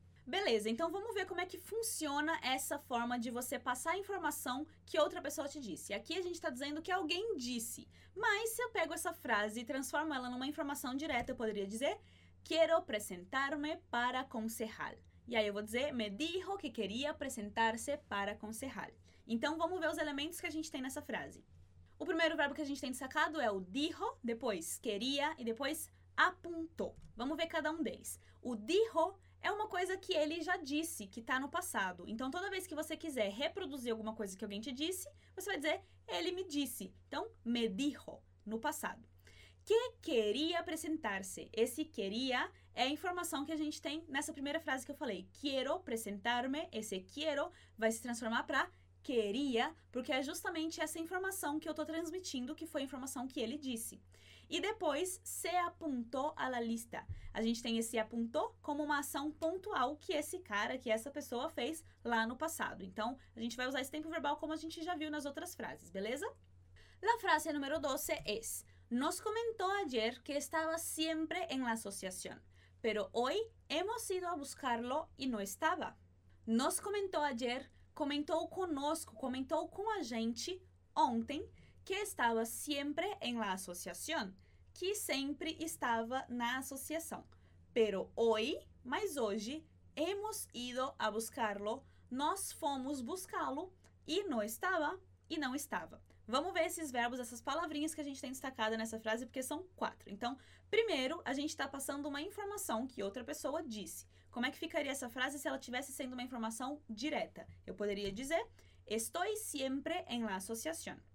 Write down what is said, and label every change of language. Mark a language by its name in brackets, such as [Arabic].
[Portuguese] Beleza, então vamos ver como é que funciona essa forma de você passar a informação que outra pessoa te disse. Aqui a gente está dizendo que alguém disse, mas se eu pego essa frase e transformo ela numa informação direta, eu poderia dizer: [Spanish] quiero presentarme para concejal. [Portuguese] E aí eu vou dizer: [Spanish] me dijo que quería presentarse para concejal. [Portuguese] Então vamos ver os elementos que a gente tem nessa frase. O primeiro verbo que a gente tem destacado é o dijo, depois queria e depois apuntou. Vamos ver cada um deles. O dijo é uma coisa que ele já disse, que está no passado. Então toda vez que você quiser reproduzir alguma coisa que alguém te disse, você vai dizer: ele me disse. Então, [Spanish] me dijo, [Portuguese] no passado. Que queria apresentar-se. Esse queria é a informação que a gente tem nessa primeira frase que eu falei. [Spanish] Quiero presentarme. [Portuguese] Esse quiero vai se transformar para queria, porque é justamente essa informação que eu estou transmitindo, que foi a informação que ele disse. E depois, [Spanish] se apuntou a la lista. [Portuguese] A gente tem esse apuntou como uma ação pontual que esse cara, que essa pessoa fez lá no passado. Então, a gente vai usar esse tempo verbal como a gente já viu nas outras frases, beleza? [Spanish] La frase número 12 es: nos comentó ayer que estaba siempre en la asociación, pero hoy hemos ido a buscarlo y no estaba. Nos comentó ayer, [Portuguese] comentou conosco, comentou com a gente ontem, [Spanish] que estaba siempre en la asociación, [Portuguese] que sempre estava na associação. [Spanish] Pero hoy, [Portuguese] mas hoje, [Spanish] hemos ido a buscarlo, [Portuguese] nós fomos buscá-lo [Spanish] y no estaba, [Portuguese] e não estava. Vamos ver esses verbos, essas palavrinhas que a gente tem destacado nessa frase, porque são quatro. Então, primeiro, a gente está passando uma informação que outra pessoa disse. Como é que ficaria essa frase se ela estivesse sendo uma informação direta? Eu poderia dizer: [Spanish] estoy siempre en la asociación.